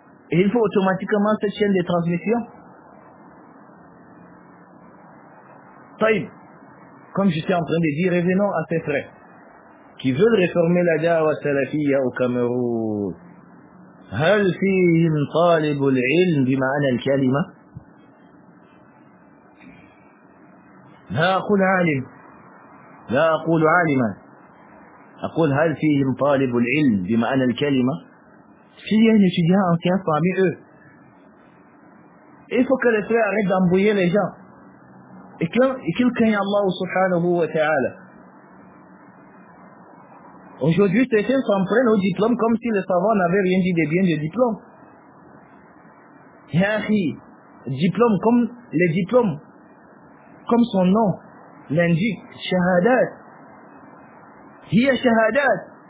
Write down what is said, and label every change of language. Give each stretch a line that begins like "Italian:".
French: Et il faut automatiquement cette chaîne de transmission. Comme j'étais en train de dire, revenons à ces frères qui veulent réformer la da'wa salafia au Cameroun.
Arabic: هل فيهم طالب العلم بمعنى الكلمة؟ لا أقول عالم, لا أقول عالما, أقول هل فيهم طالب العلم بمعنى الكلمة؟ فيهم
French: étudiants qui sont parmi eux. Il faut que les frères arrêtent d'embrouiller les gens. Et qu'il craigne Allah subhanahu wa ta'ala. Aujourd'hui, certains s'en prennent au diplôme comme si les savants n'avaient rien dit de bien du diplôme. Yahi, diplôme, comme les diplômes, comme son nom l'indique, shahadat.
Arabic: Hiya shahadat.